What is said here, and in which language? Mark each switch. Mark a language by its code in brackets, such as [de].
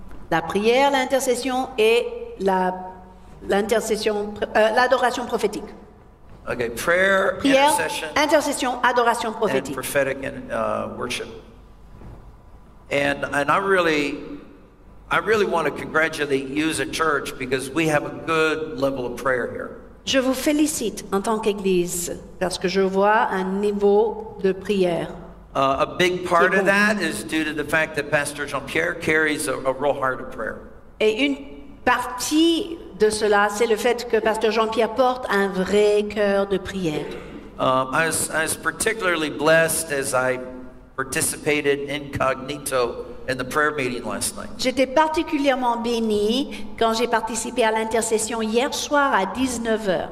[fr] La prière, l'intercession et l'adoration prophétique. [en] Okay, prayer, [fr] prière, intercession, adoration prophétique. [en] And prophetic and worship. And I really want to congratulate you as a church because we have a good level of prayer here. [fr] Je vous félicite en tant qu'église parce que je vois un niveau de prière. [en] A big part of that is due to the fact that Pastor Jean-Pierre carries a real heart of prayer. [fr] Et une partie de cela, c'est le fait que Pasteur Jean-Pierre porte un vrai cœur de prière. [en] I was particularly blessed as I participated incognito in the prayer meeting last night. [fr] J'étais particulièrement béni quand j'ai participé à l'intercession hier soir à 19h.